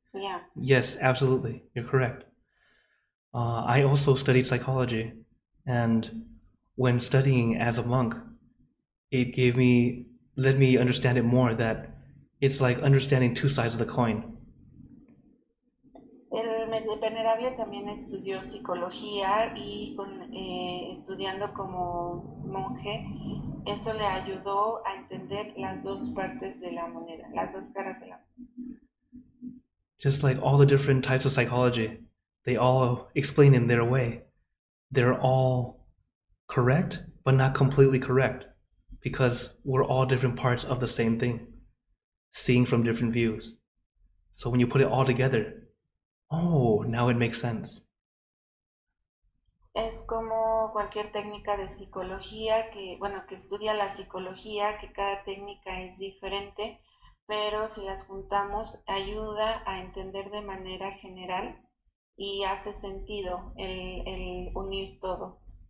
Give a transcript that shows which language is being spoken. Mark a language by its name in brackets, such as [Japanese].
[English] Yeah. Yes, absolutely. You're correct. I also studied psychology, and when studying as a monk, it let me understand it more, that it's like understanding two sides of the coin. [Spanish] El venerable también estudió psicología y estudiando como monje, eso le ayudó a entender las dos partes de la moneda, las dos caras de la moneda. [English] Just like all the different types of psychology. They all explain in their way. They're all correct, but not completely correct, because we're all different parts of the same thing, seeing from different views. So when you put it all together, oh, now it makes sense. [Spanish] Es como cualquier técnica de psicología que, bueno, que estudia la psicología, que cada técnica es diferente, pero si las juntamos, ayuda a entender de manera general. Y hace sentido el unir todo.